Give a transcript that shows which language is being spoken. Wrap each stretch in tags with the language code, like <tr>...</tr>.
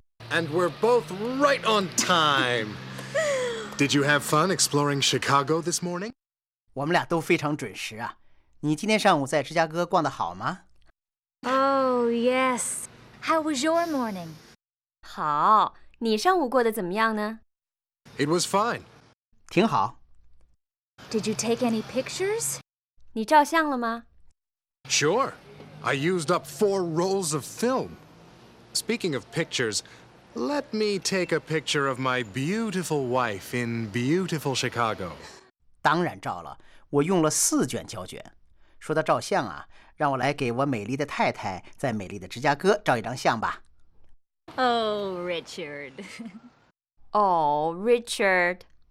<en>And we're both right on time! Did you have fun exploring Chicago this morning?</en> <zh>我们俩都非常准时啊。你今天上午在芝加哥逛得好吗？</zh> <en>Oh, yes. How was your morning?</en> <zh>好，你上午过得怎么样呢？</zh> <en>It was fine.</en> <zh>挺好。</zh> <en>Did you take any pictures?</en> <zh>你照相了吗？</zh> <en>Sure. I used up 4 rolls of film. Speaking of pictures, let me take a picture of my beautiful wife in beautiful Chicago.</en> <zh>当然照了，我用了四卷胶卷。说到照相啊，让我来给我美丽的太太在美丽的芝加哥照一张相吧。</zh> <en>Oh, Richard.</en>